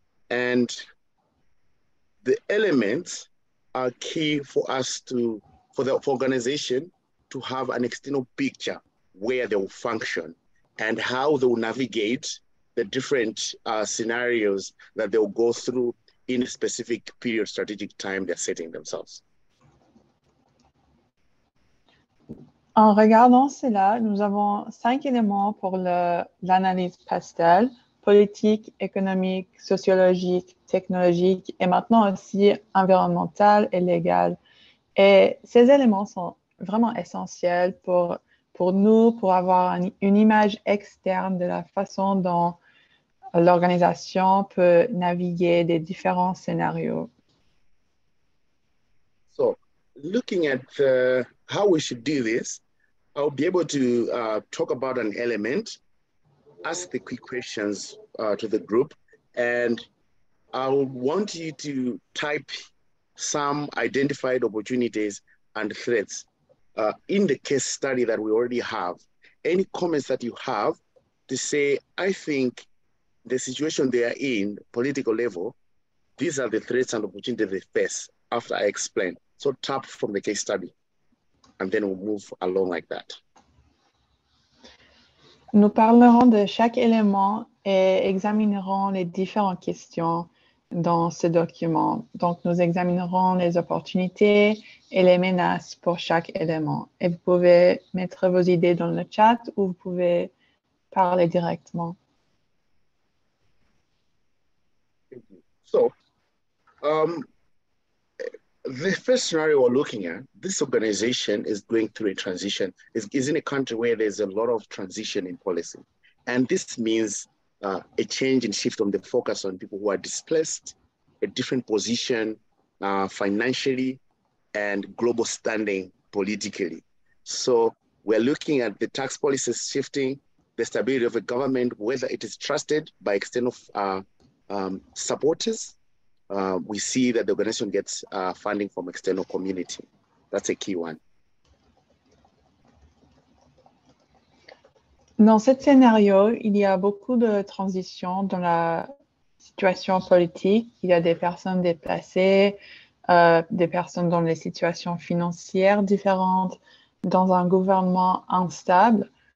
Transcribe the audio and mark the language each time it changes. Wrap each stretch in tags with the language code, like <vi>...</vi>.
<en>And the elements are key for us to, for organization to have an external picture where they will function and how they will navigate the different scenarios that they will go through in a specific period strategic time they're setting themselves.</en> <fr>En regardant cela, nous avons cinq éléments pour le, l'analyse PASTEL, politique, économique, sociologique, technologique et maintenant aussi environnementale et légale. Et ces éléments sont vraiment essentiels pour nous, pour avoir une image externe de la façon dont l'organisation peut naviguer des différents scénarios.</fr> <en>So, looking at how we should do this, I'll be able to talk about an element, ask the quick questions to the group, and I'll want you to type some identified opportunities and threats in the case study that we already have. Any comments that you have to say, I think the situation they are in, political level, these are the threats and opportunities they face after I explain. So tap from the case study, and then we'll move along like that.</en> <fr>Nous parlerons de chaque élément et examinerons les différentes questions dans ce document. Donc, nous examinerons les opportunités et les menaces pour chaque élément. Et vous pouvez mettre vos idées dans le chat ou vous pouvez parler directement.</fr> <en>So, the first scenario we're looking at, this organization is going through a transition. It's in a country where there's a lot of transition in policy. And this means a change and shift on the focus on people who are displaced, a different position financially and global standing politically. So we're looking at the tax policies shifting, the stability of a government, whether it is trusted by external supporters. We see that the organization gets funding from external community. That's a key one.</en> <fr>Dans ce scénario, il y a beaucoup de transitions dans la situation politique. Il y a des personnes déplacées, des personnes dans des situations financières différentes, dans un gouvernement instable.</fr>